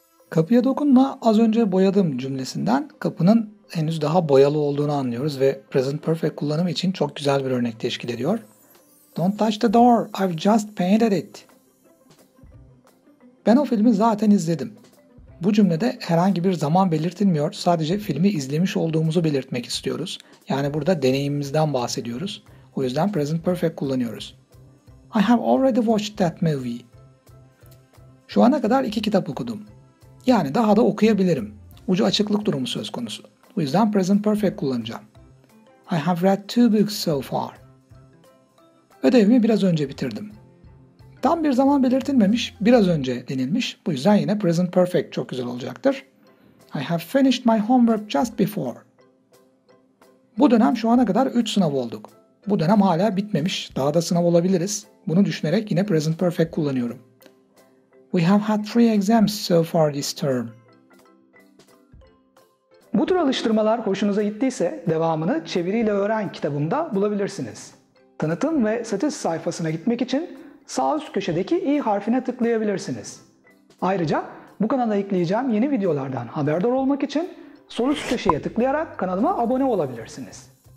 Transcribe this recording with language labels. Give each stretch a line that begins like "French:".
Turkish: Kapıya dokunma az önce boyadım cümlesinden kapının henüz daha boyalı olduğunu anlıyoruz ve present perfect kullanımı için çok güzel bir örnek teşkil ediyor.
English: Don't touch the door, I've just painted it.
Turkish: Ben o filmi zaten izledim. Bu cümlede herhangi bir zaman belirtilmiyor, sadece filmi izlemiş olduğumuzu belirtmek istiyoruz. Yani burada deneyimimizden bahsediyoruz. O yüzden present perfect kullanıyoruz.
English: I have already watched that movie.
Turkish: Şu ana kadar 2 kitap okudum. Yani daha da okuyabilirim. Ucu açıklık durumu söz konusu. O yüzden present perfect kullanacağım.
English: I have read 2 books so far.
Turkish: Ödevimi biraz önce bitirdim. Tam bir zaman belirtilmemiş, biraz önce denilmiş. Bu yüzden yine present perfect çok güzel olacaktır.
English: I have finished my homework just before.
Turkish: Bu dönem şu ana kadar 3 sınav olduk. Bu dönem hala bitmemiş, daha da sınav olabiliriz. Bunu düşünerek yine present perfect kullanıyorum.
English: We have had 3 exams so far this term.
Turkish: Bu tür alıştırmalar hoşunuza gittiyse devamını Çeviriyle Öğren kitabımda bulabilirsiniz. Tanıtım ve satış sayfasına gitmek için sağ üst köşedeki i harfine tıklayabilirsiniz. Ayrıca bu kanala ekleyeceğim yeni videolardan haberdar olmak için sol üst köşeye tıklayarak kanalıma abone olabilirsiniz.